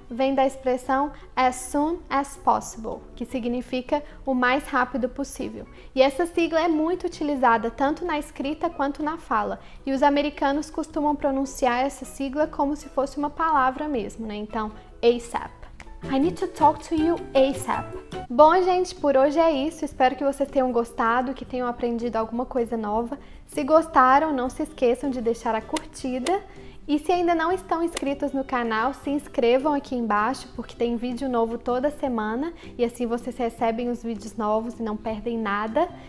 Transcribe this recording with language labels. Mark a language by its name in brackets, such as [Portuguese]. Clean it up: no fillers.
[Portuguese] vem da expressão [English] as soon as possible, [Portuguese] que significa o mais rápido possível. E essa sigla é muito utilizada tanto na escrita quanto na fala. E os americanos costumam pronunciar essa sigla como se fosse uma palavra mesmo, né? Então, ASAP. [English] I need to talk to you ASAP. [Portuguese] Bom, gente, por hoje é isso. Espero que vocês tenham gostado, que tenham aprendido alguma coisa nova. Se gostaram, não se esqueçam de deixar a curtida. E se ainda não estão inscritos no canal, se inscrevam aqui embaixo, porque tem vídeo novo toda semana e assim vocês recebem os vídeos novos e não perdem nada.